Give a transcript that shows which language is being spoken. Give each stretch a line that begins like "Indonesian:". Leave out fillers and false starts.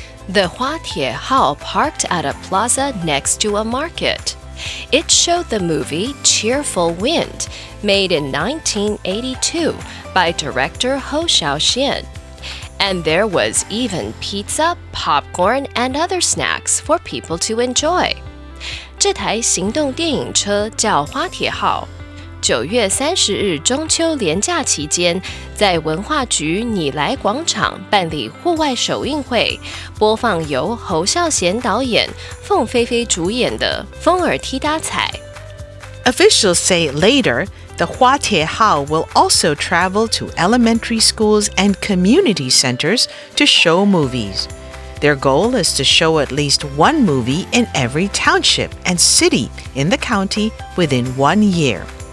English: The Hua Tie Hao parked at a plaza next to a market. It showed the movie Cheerful Wind, made in 1982 by director Ho Xiaoxian. And there was even pizza, popcorn, and other snacks for people to enjoy.
Chinese: 这台行动电影车叫花铁号。9月30日中秋连假期间，在文化局拟来广场办理户外首映会，播放由侯孝贤导演、凤飞飞主演的《风儿踢搭彩》。
English: Officials say later, the Hua Tie Hao will also travel to elementary schools and community centers to show movies. Their goal is to show at least one movie in every township and city in the county within 1 year.